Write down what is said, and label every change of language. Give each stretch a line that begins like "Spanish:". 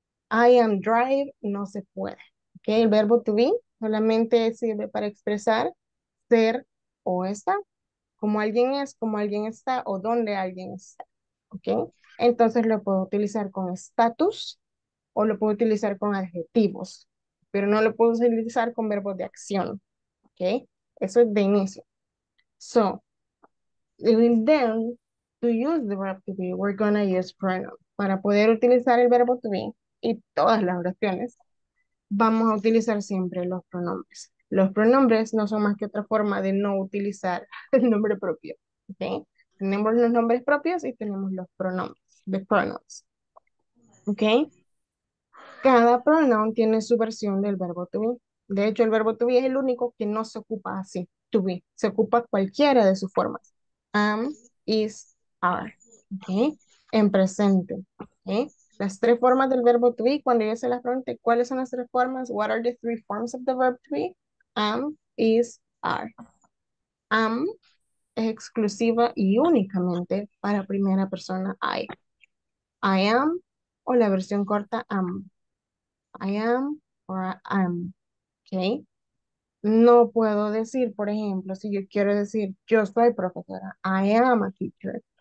English: I am drive,
Spanish: no se puede. ¿Okay? El verbo to be solamente sirve para expresar ser o estar. Como alguien es, como alguien está, o dónde alguien está. ¿Okay? Entonces lo puedo utilizar con status o lo puedo utilizar con adjetivos, pero no lo puedo utilizar con verbos de acción. ¿Okay? Eso es de inicio.
English: So, then, to use the verb to be, we're going to use pronoun.
Spanish: Para poder utilizar el verbo to be y todas las oraciones, vamos a utilizar siempre los pronombres. Los pronombres no son más que otra forma de no utilizar el nombre propio. ¿Okay? Tenemos los nombres propios y tenemos los pronombres, the pronouns. ¿Okay? Cada pronoun tiene su versión del verbo to be. De hecho, el verbo to be es el único que no se ocupa así. To be. Se ocupa cualquiera de sus formas. Am, is, are. ¿Okay? En presente. ¿Okay? Las tres formas del verbo to be, cuando yo se las pregunte, ¿cuáles son las tres formas?
English: What are the three forms of the verb to be? Am, is, are.
Spanish: Am es exclusiva y únicamente para primera persona I.
English: I am,
Spanish: o la versión corta am.
English: I am, or I am. ¿Okay?
Spanish: No puedo decir, por ejemplo, si yo quiero decir, yo soy profesora,
English: I am a teacher.